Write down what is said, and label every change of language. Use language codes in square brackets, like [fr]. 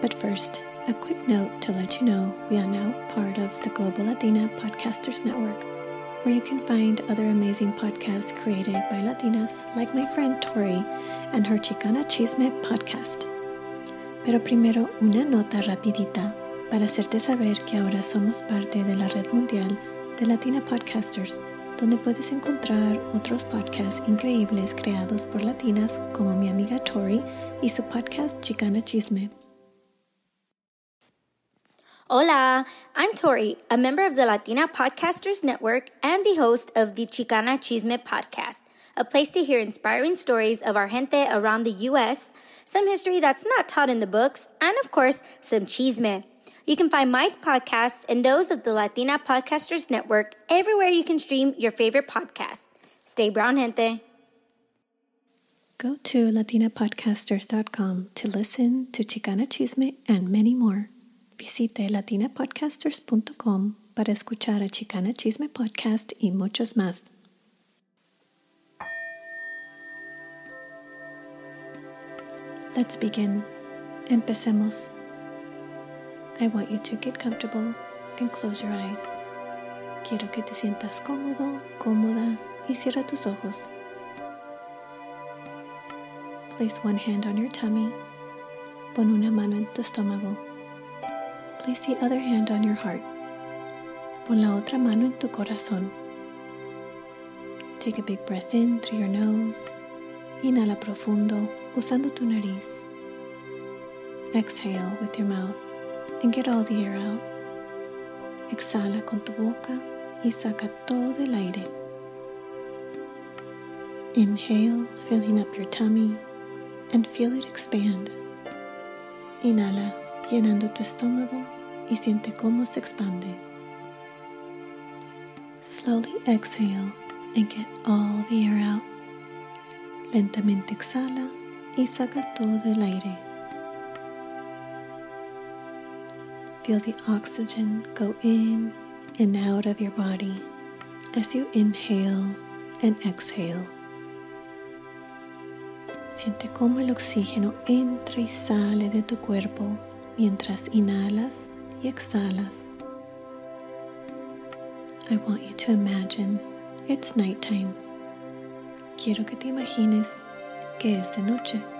[en] But first, a quick note to let you know we are now part of the Global Latina Podcasters Network, where you can find other amazing podcasts created by Latinas like my friend Tori and her Chicana Chisme podcast. [es] Pero primero, una nota rapidita para hacerte saber que ahora somos parte de la red mundial de Latina Podcasters, donde puedes encontrar otros podcasts increíbles creados por latinas como mi amiga Tori y su podcast Chicana Chisme. [en] Hola, I'm Tori, a member of the Latina Podcasters Network and the host of the Chicana Chisme podcast, a place to hear inspiring stories of our gente around the U.S., some history that's not taught in the books, and of course, some chisme. You can find my podcast and those of the Latina Podcasters Network everywhere you can stream your favorite podcast. Stay brown, gente. Go to latinapodcasters.com to listen to Chicana Chisme and many more. [es] Visite latinapodcasters.com para escuchar a Chicana Chisme podcast y muchos más. [en] Let's begin. [es] Empecemos. [en] I want you to get comfortable and close your eyes. [es] Quiero que te sientas cómodo, cómoda y cierra tus ojos. [en] Place one hand on your tummy. [es] Pon una mano en tu estómago. [en] Place the other hand on your heart. [es] Pon la otra mano en tu corazón. [en] Take a big breath in through your nose. [es] Inhala profundo usando tu nariz. [en] Exhale with your mouth and get all the air out. [es] Exhala con tu boca y saca todo el aire. [en] Inhale, filling up your tummy and feel it expand. [es] Inhala, llenando tu estómago y siente cómo se expande. [en] Slowly exhale and get all the air out. [es] Lentamente exhala y saca todo el aire. [en] Feel the oxygen go in and out of your body as you inhale and exhale. [es] Siente cómo el oxígeno entra y sale de tu cuerpo mientras inhalas y exhalas. [en] I want you to imagine it's nighttime. [es] Quiero que te imagines que es de noche.